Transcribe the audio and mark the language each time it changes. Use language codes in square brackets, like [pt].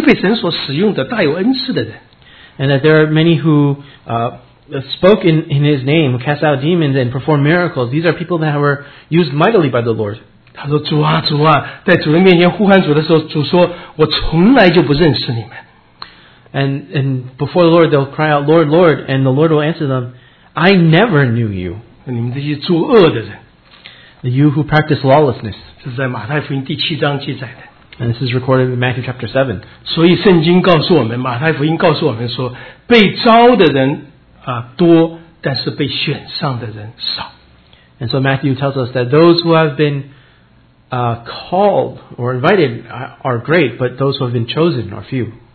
[zh] 他们是奉主的名传道，奉主的名赶鬼，奉主的名行许多的异能。哇，这些是被神所使用的，大有恩赐的人。 [en] And that there are many who spoke in his name, cast out demons and performed miracles. These are people that were used mightily by the Lord. [zh] 他说：“主啊，主啊，在主人面前呼喊主的时候，主说：我从来就不认识你们。” [en] And before the Lord, they'll cry out, Lord, Lord, and the Lord will answer them, I never knew you. [zh] 你们这些作恶的人。 [en] You who practice lawlessness. [zh] 这是在马太福音第七章记载的。 [en] And this is recorded in Matthew chapter 7. [zh] 所以圣经告诉我们，马太福音告诉我们说，被招的人多，但是被选上的人少。 [en] And so Matthew tells us that those who have been called or invited are great, but those who have been chosen are few.